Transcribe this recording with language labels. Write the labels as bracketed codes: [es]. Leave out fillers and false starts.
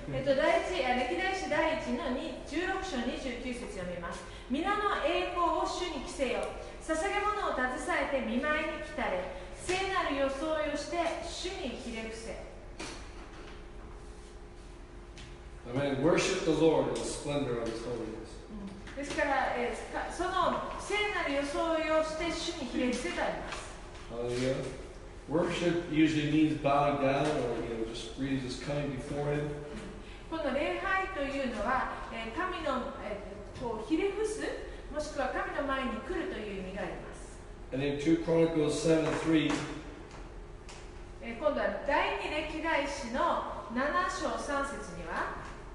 [ja] 歴代史第1の16章29節読みます。皆の栄光を主に着せよ。捧げ物を携えて見舞いに来たれ。聖なる装いをして主にひれ伏せ。 [en] Amen. Worship the Lord in the splendor of His holiness. [ja] ですから、その聖なる装いをして主にひれ伏せてあります。 [en] Hallelujah. Worship usually means bowing down or, you know, just really just coming before Him. [ja] この礼拝というのは、神の、こうひれ伏す、もしくは神の前に来るという意味があります。 [en] And in 2 Chronicles 7, 3, [ja] 今度は第二歴代史の7章3節には、